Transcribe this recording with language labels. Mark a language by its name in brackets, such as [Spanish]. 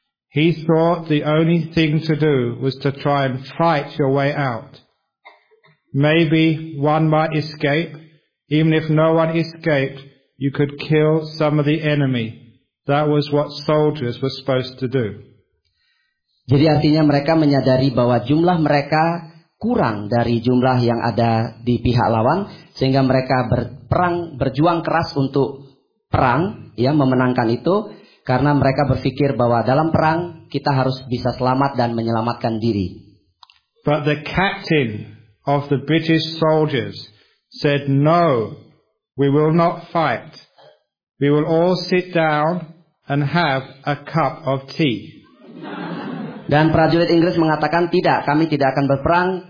[English] He thought the only thing to do was to try and fight your way out. Maybe one might escape. Even if no one escaped, you could kill some of the enemy. That was what soldiers were supposed to do. [Indonesian] Jadi artinya mereka menyadari bahwa jumlah mereka kurang dari jumlah yang ada di pihak lawan, sehingga mereka berjuang keras untuk perang, ya, memenangkan itu, karena mereka berpikir bahwa dalam perang kita harus bisa selamat dan menyelamatkan diri. [English] But the captain of the British soldiers said, "No, we will not fight. We will all sit down and have a cup of tea." [Indonesian] Dan prajurit Inggris mengatakan, "Tidak, kami tidak akan berperang.